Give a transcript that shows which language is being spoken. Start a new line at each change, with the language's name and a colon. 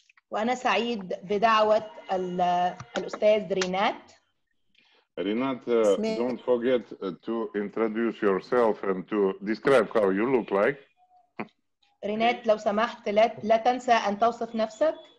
Arabic: وأنا سعيد بدعوة الأستاذ رينات.
English: Renat, don't forget to introduce yourself and to describe how you look like.
Arabic: رينات لو سمحت لا تنسى أن توصف نفسك.